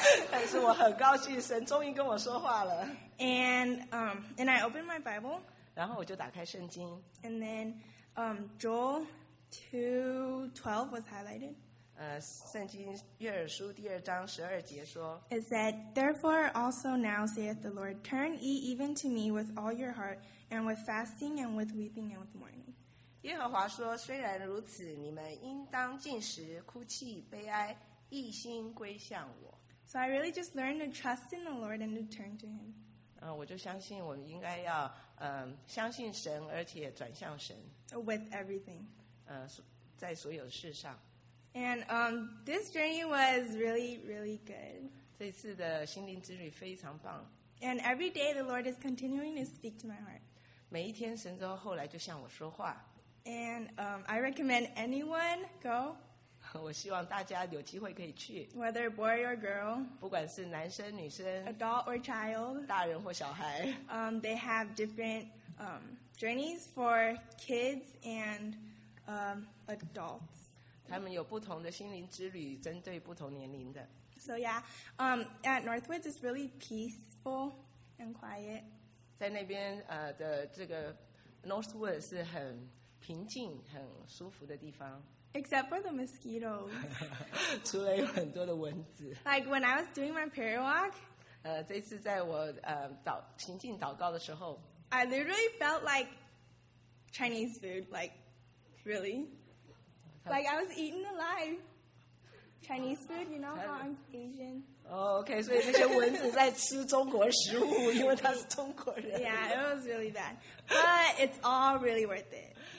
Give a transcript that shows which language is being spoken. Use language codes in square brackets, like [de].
[zh] 但是我很高兴，神终于跟我说话了。 [en] And I opened my Bible. [zh] 然后我就打开圣经。 [en] And then, Joel 2:12 was highlighted. [zh] 圣经约珥书第二章十二节说。 [en] It said, "Therefore also now saith the Lord, turn ye even to me with all your heart, and with fasting, and with weeping, and with mourning." [zh] 耶和华说，虽然如此，你们应当禁食、哭泣、悲哀，一心归向我。 [en] So I really just learned to trust in the Lord and to turn to him. [zh] 我就相信我应该要相信神，而且转向神。 [en] With everything. [zh] 在所有事上。 [en] And this journey was really, really good. [zh] 这次的心灵之旅非常棒。 [en] And every day the Lord is continuing to speak to my heart. [zh] 每一天神都后来就向我说话。 [en] And I recommend anyone go. [zh] 我希望大家有机会可以去。 [en] Whether boy or girl, [zh] 不管是男生女生 [en] ，adult or child, [zh] 大人或小孩。 [en] They have different journeys for kids and adults. [zh] 他们有不同的心灵之旅，针对不同年龄的。 [en] So yeah, at Northwoods it's really peaceful and quiet. [zh] 在那边的这个 Northwoods 是很。平静很舒服的地方 [en] except for the mosquitoes [zh] 除了有很多的蚊子 [en] like when I was doing my prayer walk [zh] 这次在我行进祷告的时候 [en] I literally felt like Chinese food like really like I was eating alive Chinese food you know how I'm Asian [zh] OK 所以那些蚊子在吃中国食物因为他是中国人 [en] yeah it was really bad but it's all really worth it